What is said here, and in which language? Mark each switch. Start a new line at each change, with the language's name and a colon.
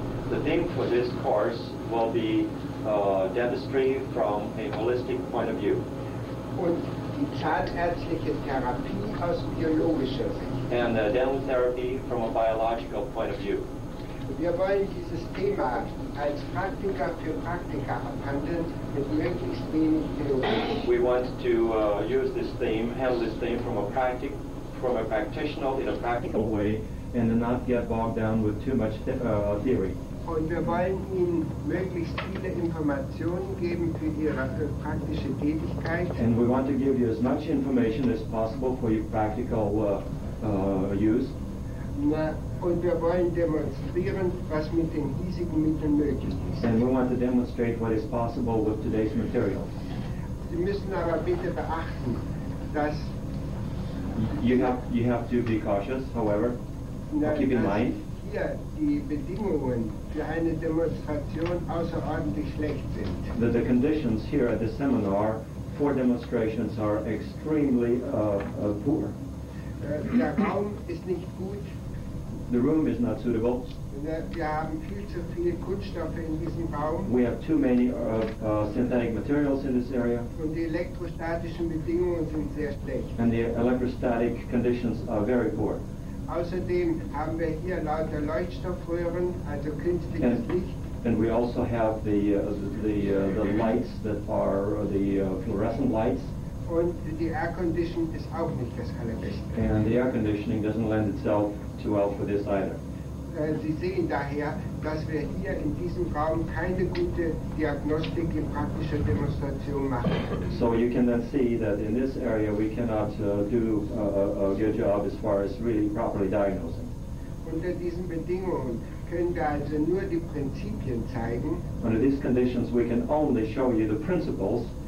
English: The theme for this course will be dentistry from a holistic point of view.
German: Und die zahnärztliche Therapie aus biologischer Sicht.
English: And dental therapy from a biological point of view.
German: Wir wollen dieses Thema als Praktiker für Praktiker abhandeln mit möglichst wenig Theorie.
English: We want to use this theme, handle this theme from a practical, from a practitioner in a practical way, and not get bogged down with too much theory.
German: Und wir wollen Ihnen möglichst viele Informationen geben für Ihre praktische Tätigkeit.
English: And we want to give you as much information as possible for your practical use.
German: Na, und wir wollen demonstrieren, was mit den hiesigen Mitteln möglich ist.
English: And we want to demonstrate what is possible with today's materials.
German: Sie müssen aber bitte beachten, dass
English: you have to be cautious, however. Na, keep in mind,
German: die Bedingungen für eine Demonstration außerordentlich schlecht sind.
English: The conditions here at the seminar for demonstrations are extremely poor.
German: Der Raum ist nicht gut.
English: The room is not suitable.
German: Wir haben viel zu viele Kunststoffe in diesem Raum.
English: We have too many synthetic materials in this area.
German: Und die elektrostatischen Bedingungen sind sehr schlecht.
English: And the electrostatic conditions are very poor.
German: Außerdem haben wir hier lauter Leuchtstoffröhren, also künstliches Licht.
English: And we also have the lights that are the fluorescent lights.
German: Und die air condition ist auch nicht das allerbeste.
English: And the air conditioning doesn't lend itself too well for this either.
German: Sie sehen daher, dass wir hier in diesem Raum keine gute Diagnostik in praktischer Demonstration machen.
English: So you can then see that in this area we cannot do a good job as far as really properly diagnosing.
German: Unter diesen Bedingungen können wir also nur die Prinzipien zeigen.
English: Under these conditions we can only show you the principles.